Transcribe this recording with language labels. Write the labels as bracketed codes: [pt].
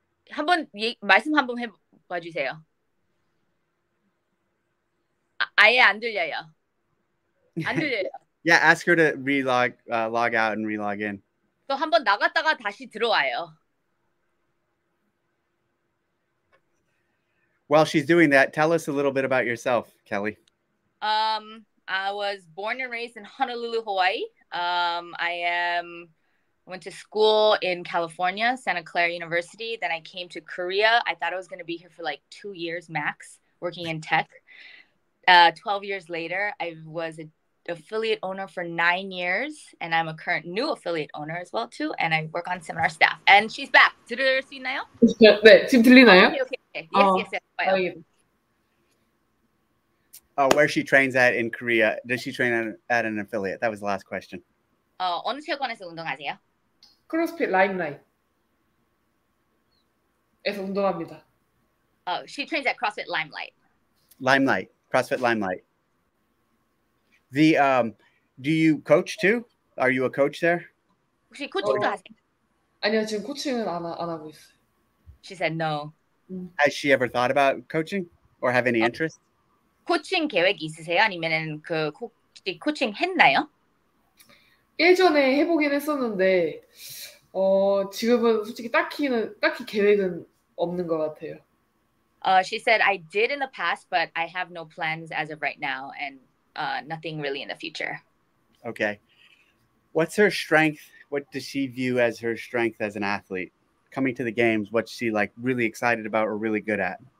[ko] 한번 예, 말씀 한번 해봐 주세요. 아예 안 들려요. 안 들려요. [en] Yeah, ask her to re-log, log out and re-log in. [ko] 또 한번 나갔다가 다시 들어와요. [en] While she's doing that, tell us a little bit about yourself, Kelly. I was born and raised in Honolulu, Hawaii. I went to school in California, Santa Clara University. Then I came to Korea. I thought I was going to be here for like 2 years max, working in tech. 12 years later, I was an affiliate owner for 9 years. And I'm a current new affiliate owner as well, too. And I work on seminar staff. And she's back. [ko] 들을 수 있나요? 네, 지금 들리나요? [en] Okay. Yes, yes. Oh, where she trains at in Korea. Does she train at an affiliate? That was the last question. [ko] 어느 체육관에서 운동하세요? CrossFit Limelight에서 운동합니다. [en] Oh, she trains at CrossFit Limelight. Limelight. CrossFit Limelight. The do you coach too? Are you a coach there? [ko] 혹시 코칭도 하세요? 아니요, 지금 코칭은 안 하고 있어요. [en] She said no. Has she ever thought about coaching or have any interest? [ko] 코칭 계획 있으세요? 아니면은 그 혹시 코칭 했나요? 예전에 해보긴 했었는데 지금은 솔직히 딱히 계획은 없는 것 같아요. [en] She said I did in the past, but I have no plans as of right now, and nothing really in the future. Okay. What's her strength? What does she view as her strength as an athlete? Coming to the games, what's she like really excited about or really good at?